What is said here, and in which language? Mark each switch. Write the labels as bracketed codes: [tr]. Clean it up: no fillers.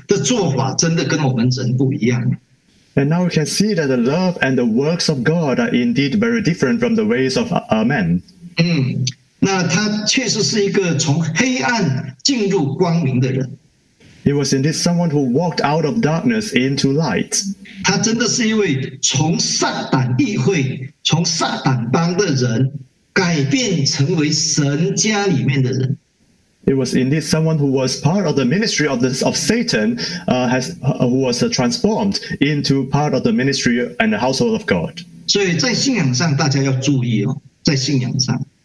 [en] And now we can see that the love and the works of God are indeed very different from the ways of men. [zh] 那他确实是一个从黑暗进入光明的人。 [en] He was indeed someone who walked out of darkness into light. [zh] 他真的是一位从撒旦议会，从撒旦帮的人，改变成为神家里面的人。 [en] He was indeed someone who was part of the ministry of this of Satan, who was transformed into part of the ministry and the household of God. [zh] 所以在信仰上大家要注意哦，在信仰上。